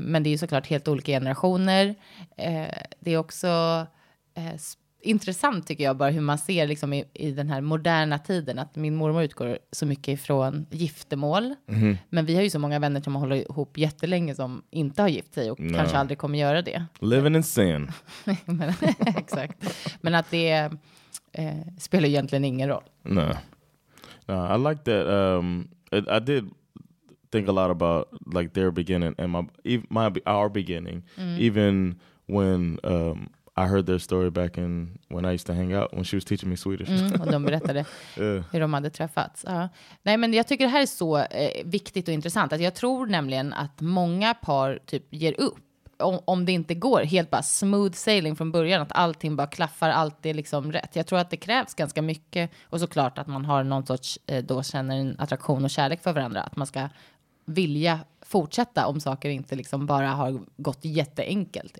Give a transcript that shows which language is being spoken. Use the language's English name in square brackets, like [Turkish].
[Swedish] Men det är ju såklart helt olika generationer. Det är också intressant tycker jag bara hur man ser liksom i den här moderna tiden att min mormor utgår så mycket ifrån giftermål. Mm. Men vi har ju så många vänner som har hållit ihop jättelänge som inte har gift sig och no. kanske aldrig kommer göra det. [English] Living in sin. [Swedish] Men, exakt. Men att det spelar egentligen ingen roll. [English] No, I like that. I did think a lot about like their beginning and our beginning. Mm. Even when I heard their story back in when I used to hang out when she was teaching me Swedish. [Swedish] Mm, och de berättade hur de hade träffats. Ja. Nej, men jag tycker det här är så viktigt och intressant. Alltså, jag tror nämligen att många par typ ger upp om det inte går helt bara [English] smooth sailing [Swedish] från början, att allting bara klaffar, allt är liksom rätt. Jag tror att det krävs ganska mycket och såklart att man har någon sorts, då känner en attraktion och kärlek för varandra, att man ska vilja fortsätta om saker inte liksom bara har gått jätteenkelt.